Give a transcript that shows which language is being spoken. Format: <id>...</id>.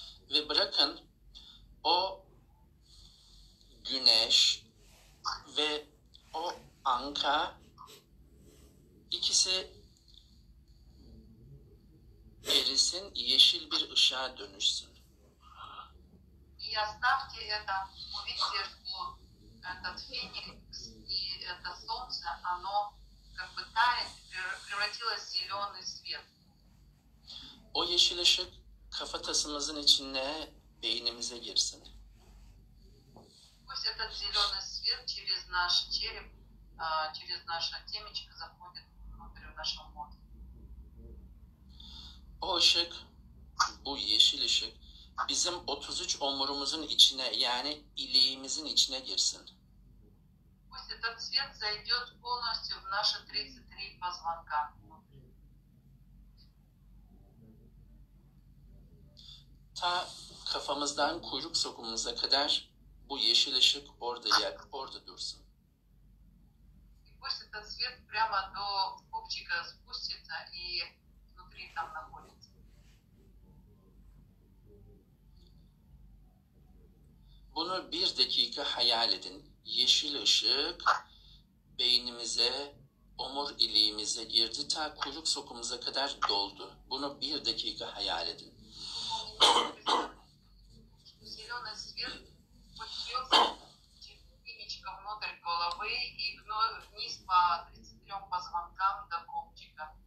<tr>Ve bırakın o güneş ve o Anka, ikisi erisin, yeşil bir ışığa dönüşsün.</tr> <ru>И оставьте это, увидите, что этот феникс и это солнце, оно как бы тает, превратилось в зеленый свет.</ru> <tr>O yeşil ışık kafatasımızın içine, beynimize girsin.</tr> <ru>Пусть этот зеленый свет через наш череп, через наше темечко заходит внутрь нашего мозга.</ru> <tr>O ışık, bu yeşil ışık bizim 33 omurumuzun içine, yani iliğimizin içine girsin.</tr> <ru>Пусть этот свет зайдет полностью в наши 33 позвонка.</ru> <tr>Ta kafamızdan kuyruk sokumumuza kadar bu yeşil ışık orada yer, orada dursun.</tr> <ru>И пусть этот свет прямо до копчика спустится и внутри там находится.</ru> <tr>Bunu bir dakika hayal edin. Yeşil ışık beynimize, omur iliğimize girdi, ta kuyruk sokumuza kadar doldu. Bunu bir dakika hayal edin.</tr> <ru>Зеленый свет подъемся имечко внутрь головы и вниз по 33 позвонкам до копчика.</ru>